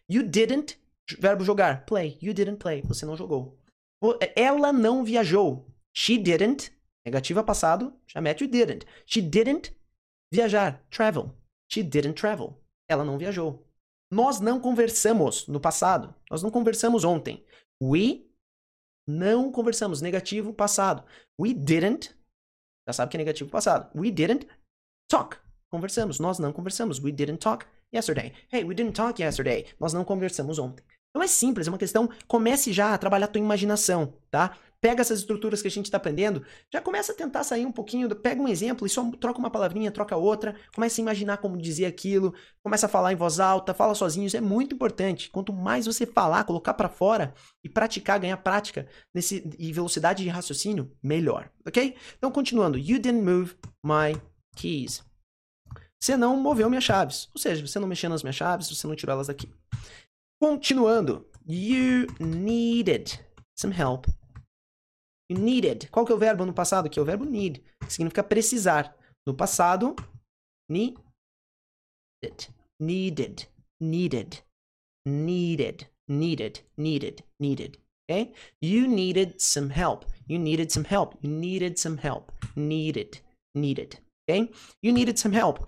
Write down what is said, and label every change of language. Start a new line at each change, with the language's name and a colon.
English: You didn't,
Portuguese: verbo jogar,
English: play. You didn't play.
Portuguese: Você não jogou. Ela não viajou.
English: She didn't.
Portuguese: Negativa passado, já mete o didn't.
English: She didn't
Portuguese: viajar,
English: travel. She didn't travel.
Portuguese: Ela não viajou. Nós não conversamos no passado. Nós não conversamos ontem. We não conversamos. Negativo passado.
English: We didn't.
Portuguese: Já sabe que é negativo passado.
English: We didn't talk.
Portuguese: Conversamos. Nós não conversamos.
English: We didn't talk yesterday. Hey, we didn't talk yesterday.
Portuguese: Nós não conversamos ontem. Então é simples, é uma questão. Comece já a trabalhar a tua imaginação, tá? Pega essas estruturas que a gente está aprendendo, já começa a tentar sair um pouquinho, pega um exemplo e só troca uma palavrinha, troca outra, começa a imaginar como dizer aquilo, começa a falar em voz alta, fala sozinho, isso é muito importante. Quanto mais você falar, colocar para fora e praticar, ganhar prática nesse, e velocidade de raciocínio, melhor, ok? Então, continuando,
English: you didn't move my keys.
Portuguese: Você não moveu minhas chaves, ou seja, você não mexeu nas minhas chaves, você não tirou elas daqui.
English: Continuando, you needed some help. You needed.
Portuguese: Qual que é o verbo no passado aqui? É o verbo need, que significa precisar. No passado,
English: needed. Needed. Needed. Needed. Needed. Needed. Needed. Okay? You needed some help. You needed some help. You needed some help. Needed. Needed. Okay? You needed some help.